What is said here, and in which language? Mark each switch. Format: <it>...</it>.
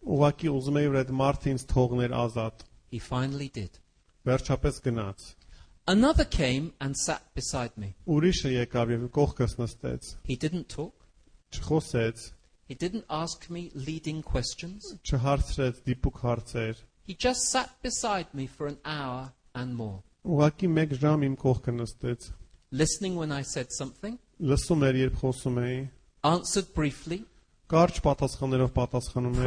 <hy>Ուղակի ուզում էր այդ մարդին թողներ ազատ.</hy> <en>He finally did.</en> <hy>Վերջապես գնաց.</hy> <en>Another came and sat beside me.</en> <hy>Ուրիշը եկավ եւ կողքս նստեց.</hy> <en>He didn't talk.</en> <hy>Չխոսեց.</hy> <en>He didn't ask me leading questions.</en> <hy>Չհարցրեց դիպուկ հարցեր.</hy> <en>He just sat beside me for an hour and more.</en> <hy>Ուղակի մեկ ժամ իմ կողքը նստեց.</hy> <en>Listening when I said something.</en> <hy>Լսում էր երբ խոսում էի.</hy> <en>Answered briefly.</en> <hy>Կարճ պատասխաններով պատասխանում էր.</hy>